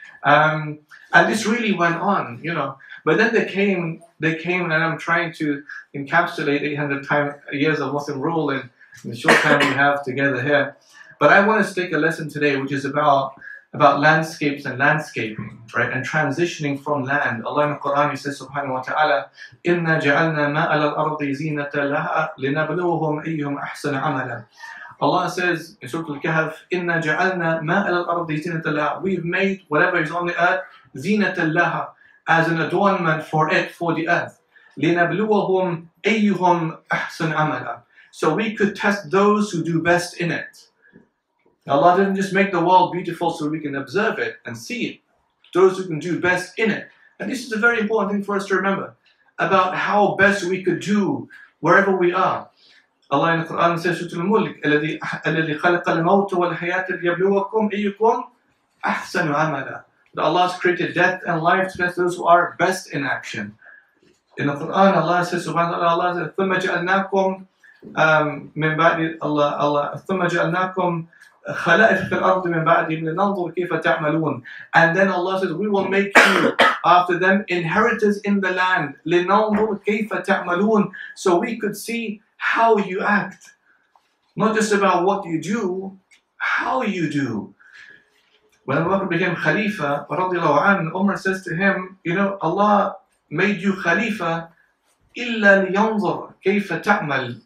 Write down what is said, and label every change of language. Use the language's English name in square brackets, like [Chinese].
[English] And this really went on, you know. But then they came, and I'm trying to encapsulate 800 years of Muslim rule in the short time we have together here. But I want to stick a lesson today, which is about landscapes and landscaping, right? And transitioning from land. Allah in the Quran says, subhanahu wa ta'ala, [Arabic] إِنَّا جَعَلْنَا مَا عَلَى الْأَرْضِ زِينَةً لَهَا لِنَبْلُوهُمْ أَيُّهُمْ أَحْسَنَ عَمَلًا. [English] Allah says in Surah Al-Kahf, [Arabic] إِنَّا جَعَلْنَا مَا عَلَى الْأَرْضِ زِينَةً لَهَا. [English] We've made whatever is on the earth, [Arabic] زِينَةً لَهَا, [English] as an adornment for it, for the earth. [Arabic] لِنَبْلُوهُمْ أَيُّهُمْ أَحْسَنَ عَمَلًا. [English] So we could test those who do best in it. Allah didn't just make the world beautiful so we can observe it and see it. Those who can do best in it. And this is a very important thing for us to remember about how best we could do wherever we are. Allah in the Quran says, [Arabic] الَّذِي خَلَقَ الْمَوْتُ وَالْحَيَاةِ لِيَبْلُوَكُمْ أَيُّكُمْ أَحْسَنُ عَمَلًا. [English] That Allah has created death and life to test those who are best in action. In the Quran, Allah says, [Arabic] subhanAllah, Allah says, ثُمَّ جَعَلْنَاكُمْ مِنْ بَعْدِ اللَّهِ ثُمَّ جَعَلْنَاكُمْ خَلَائِفَ فِي الْأَرْضِ مِنْ بَعْدِهِمْ لِنَنْظُرْ كَيْفَ تَعْمَلُونَ. [English] And then Allah says, we will make you after them inheritors in the land. [Arabic] لِنَنْظُرْ كَيْفَ تَعْمَلُونَ. [English] So we could see how you act. Not just about what you do, how you do. When Abu Bakr became Khalifa, Umar says to him, you know, Allah made you Khalifa, [Arabic] إِلَّا لِيَنْظُرْ كَيْفَ تَعْمَلُ.